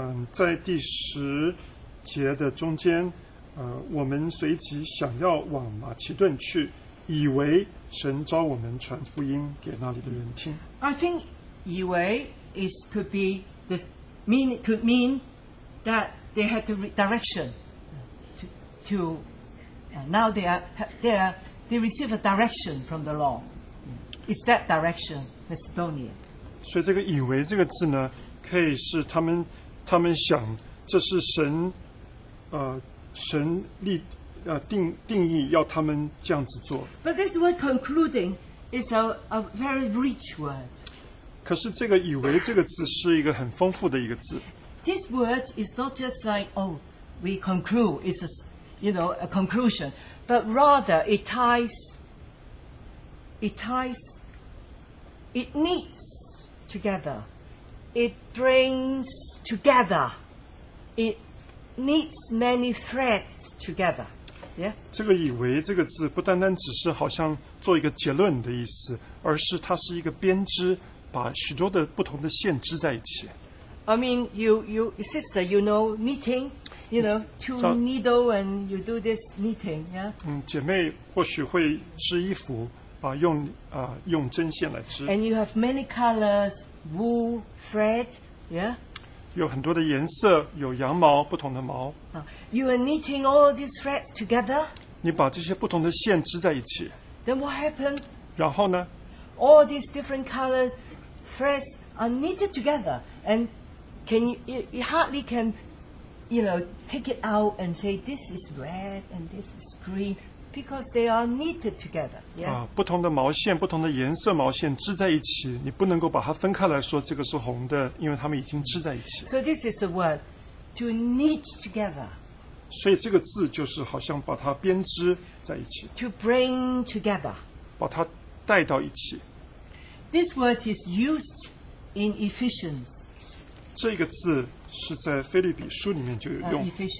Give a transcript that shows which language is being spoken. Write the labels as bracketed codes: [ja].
[zh] 在第十节的中间，我们随即想要往马其顿去，以为神召我们传福音给那里的人听。 [en] I think 以为 is could be the mean could mean that they had the direction to now they receive a direction from the Lord. It's that direction, Macedonia. [zh] 所以这个以为这个字呢，可以是他们。他们想，这是神，神立，定义要他们这样子做。 [en] But this word concluding is a very rich word. [zh] 可是这个以为这个字是一个很丰富的一个字。 [en] This word is not just like, oh, we conclude, it's a, you know, a conclusion, but rather it knits together. It brings together. It knits many threads together. Yeah. [zh] 这个以为这个字不单单只是好像做一个结论的意思，而是它是一个编织，把许多的不同的线织在一起。 [en] I mean, you sister, you know knitting, you know two needle and you do this knitting, yeah. [zh] 姐妹或许会织衣服，用用针线来织。 [en] And you have many colors. Wool, thread, yeah. [zh] 有很多的颜色，有羊毛，不同的毛。 [en] You are knitting all these threads together. [zh] 你把这些不同的线织在一起。 [en] Then what happened? [zh] 然后呢？ [en] All these different colored threads are knitted together, and you hardly can, you know, take it out and say this is red and this is green. Because they are knitted together. Yeah. [zh] 不同的毛线，不同的颜色毛线织在一起，你不能够把它分开来说这个是红的，因为它们已经织在一起。 [en] So this is the word to knit together. [zh] 所以这个字就是好像把它编织在一起。 [en] To bring together. [zh] 把它带到一起。 [en] This word is used in Ephesians. [zh] 这个字是在腓立比书里面就有用。